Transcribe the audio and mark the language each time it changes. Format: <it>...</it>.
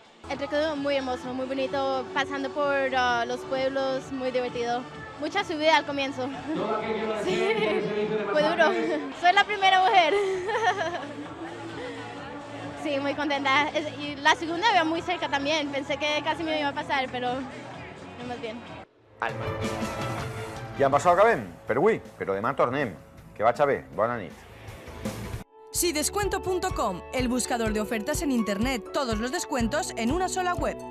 <es>El recorrido muy hermoso, muy bonito, pasando por los pueblos, muy divertido. Mucha subida al comienzo. Sí, fue duro. Soy la primera mujer. Sí, muy contenta. Y la segunda veo muy cerca también. Pensé que casi me iba a pasar, pero no más bien. Alma.</es> <ca>I amb això acabem, per avui, però demà tornem. Que vagi bé, bona nit.</ca> <es>Si descuento.com, el buscador de ofertas en internet, todos los descuentos en una sola web.</es>